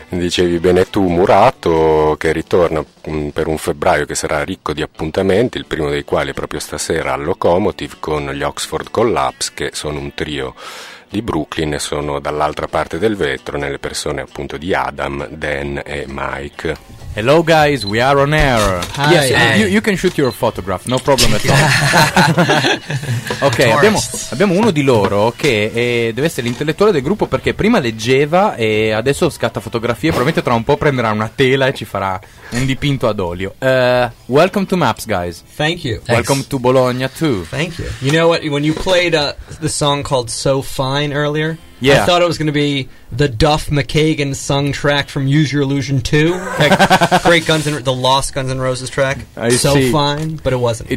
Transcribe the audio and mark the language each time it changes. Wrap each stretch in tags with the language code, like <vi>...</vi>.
<it>Dicevi bene tu, Murato, che ritorna per un febbraio che sarà ricco di appuntamenti, il primo dei quali è proprio stasera al Locomotive con gli Oxford Collapse, che sono un trio di Brooklyn e sono dall'altra parte del vetro, nelle persone appunto di Adam, Dan e Mike.</it> <en>Hello guys, we are on air. Hi. Yes, you can shoot your photograph, no problem at all.</en> <it>Ok, abbiamo uno di loro che deve essere l'intellettuale del gruppo, perché prima leggeva e adesso scatta fotografie. Probabilmente tra un po' prenderà una tela e ci farà un dipinto ad olio.</it> <en>Welcome to Maps, guys. Thank you. Welcome to Bologna too. Thank you. You know what, when you played the song called So Fine earlier, yeah, I thought it was going to be the Duff McKagan sung track from Use Your Illusion 2, great Guns and the Lost Guns N' Roses track. I see. But it wasn't.</en>